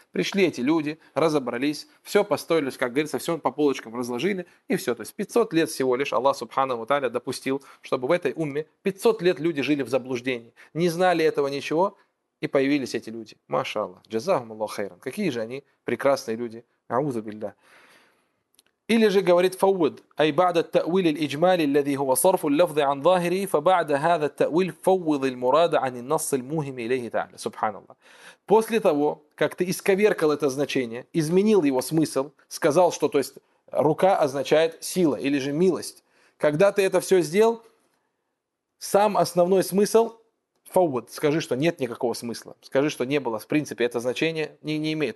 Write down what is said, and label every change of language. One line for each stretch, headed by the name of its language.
Russian: Пришли эти люди, разобрались, все построились, как говорится, все по полочкам разложили, и все. То есть 500 лет всего лишь Аллах, субханаху тааля, допустил, чтобы в этой умме 500 лет люди жили в заблуждении. Не знали этого ничего, и появились эти люди. Машаллах. Джазахум Аллаху хайран. Какие же они прекрасные люди. Аузу билля. Или же говорит
Arabic: فوض أي بعد التأويل الإجمالي الذي هو صرف اللفظ عن ظاهره فبعد هذا التأويل فوض المراد عن النص المهم إليه تعالى سبحان الله.
Russian: После того, как ты исковеркал это значение, изменил его смысл, сказал, что, то есть, рука означает сила или же милость. Когда ты это все сделал, сам основной смысл فوض. Скажи, что нет никакого смысла. Скажи, что не было, в принципе, это значение не имеет.